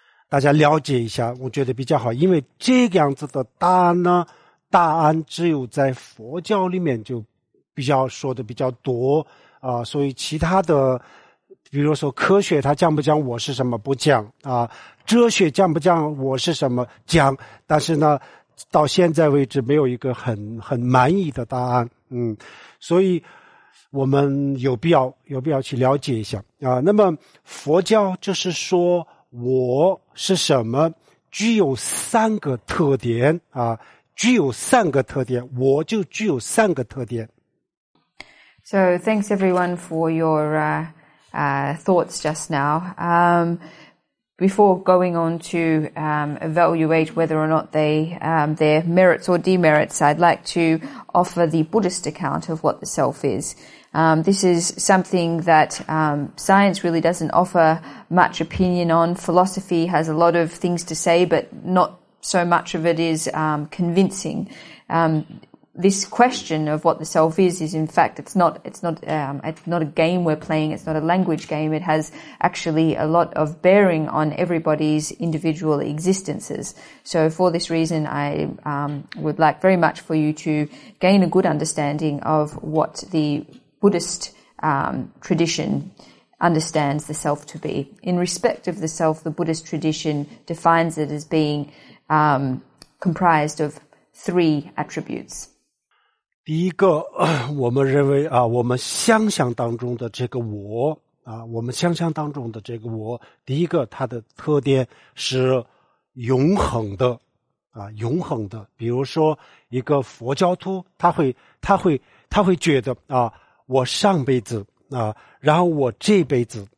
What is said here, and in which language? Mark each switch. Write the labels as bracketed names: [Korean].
[Chinese] 大家了解一下，我觉得比较好，因为这样子的答案呢，答案只有在佛教里面就比较说的比较多啊，所以其他的，比如说科学，它讲不讲我是什么不讲啊，哲学讲不讲我是什么讲，但是呢，到现在为止没有一个很满意的答案，所以我们有必要去了解一下啊。那么佛教就是说。我是什么？具有三个特点啊，具有三个特点，我就具有三个特点。 [English] So thanks everyone for your thoughts just now. Before going on to evaluate whether or not they their merits or demerits, I'd like to offer the Buddhist account of what the self is. This is something that science really doesn't offer much opinion on. Philosophy has a lot of things to say, but not so much of it is convincing. This question of what the self is in fact, it's not a game we're playing. It's not a language game. It has actually a lot of bearing on everybody's individual existences. So for this reason, I would like very much for you to gain a good understanding of what the Buddhist tradition understands the self to be. In respect of the self, the Buddhist tradition defines it as being comprised of three attributes. [Chinese] 第一个，我们认为啊，我们想象当中的这个我啊，我们想象当中的这个我，第一个它的特点是永恒的啊，永恒的。比如说，一个佛教徒，他会觉得啊。我上辈子啊，然后我这辈子